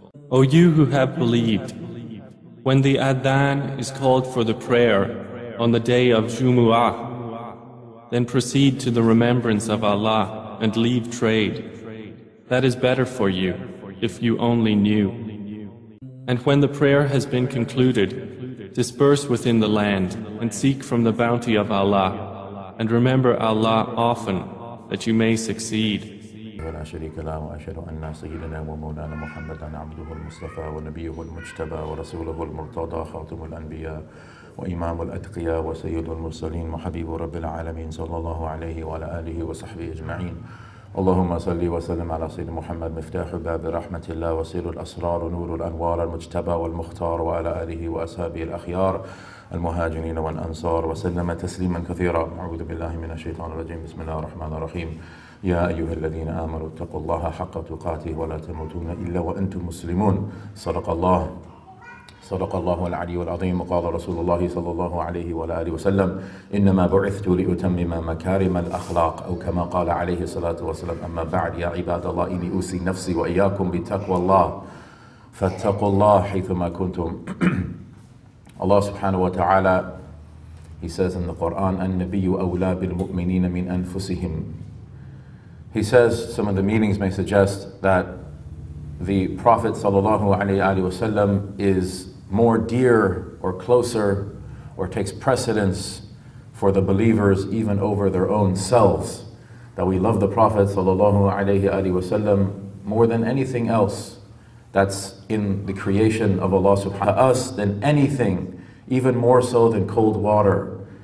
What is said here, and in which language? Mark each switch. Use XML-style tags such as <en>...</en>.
<en>O you who have believed, when the adhan is called for the prayer on the day of Jumu'ah, then proceed to the remembrance of Allah and leave trade. That is better for you, if you only knew. And when the prayer has been concluded, disperse within the land and seek from the bounty of Allah and remember Allah often that you may succeed.</en> <ar>ولا شريك له وأشهد أن سيدنا ومولانا محمدا عبده المصطفى ونبيه المجتبى ورسوله المرتضى خاتم الأنبياء وإمام الأتقياء وسيد المرسلين وحبيب رب العالمين صلى الله عليه وعلى آله وصحبه أجمعين اللهم صل وسلم على سيد محمد مفتاح باب رحمة الله وسير الأسرار نور الأنوار المجتبى والمختار وعلى آله وأصحابه الأخيار المهاجرين والأنصار وسلم تسليما كثيرا أعوذ بالله من الشيطان الرجيم بسم الله الرحمن الرحيم يا أيها الذين آمنوا اتقوا الله حق تقاته ولا تموتون إلا وأنتم مسلمون صدق الله صدق الله العلي العظيم وقال رسول الله صلى الله عليه وعلى آله وسلم إنما بعثت لأتمم مكارم الأخلاق أو كما قال عليه الصلاة والسلام أما بعد يا عباد الله إني أوصي نفسي وإياكم بتقوى الله فاتقوا الله حيثما كنتم. الله سبحانه وتعالى</ar> <en>he says in the Quran</en> <ar>النبي أولى بالمؤمنين من أنفسهم.</ar> <en>He says some of the meanings may suggest that the Prophet sallallahu alayhi wa sallam is more dear or closer or takes precedence for the believers even over their own selves. That we love the Prophet sallallahu alayhi wa sallam more than anything else that's in the creation of Allah subhanahu wa ta'ala, us than anything, even more so than cold water.</en>